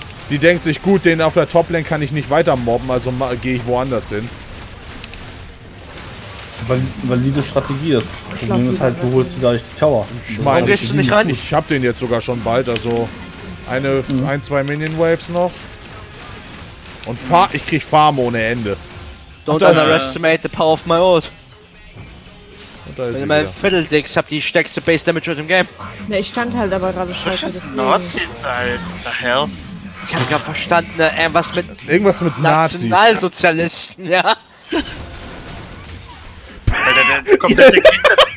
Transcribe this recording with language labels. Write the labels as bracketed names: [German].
[German] Die denkt sich, gut, den auf der Top-Lane kann ich nicht weiter mobben, also gehe ich woanders hin. Valide Strategie ist. Problem ist halt, du holst dir gleich die Tower. Ich hab den jetzt sogar schon bald, also eine, ein, zwei Minion-Waves noch. Und ich krieg Farm ohne Ende. [English] Don't underestimate the power of my ult. [German] Wenn ihr mal Fiddle-Dicks habt, die stärkste Base Damage im Game. Ne, ich stand halt aber gerade scheiße. Was ist Nazis, Alter? [English] The hell? [German] Ich hab grad verstanden, was mit. Irgendwas mit Nazis. Nationalsozialisten, ja? Alter, der komplette Kinder.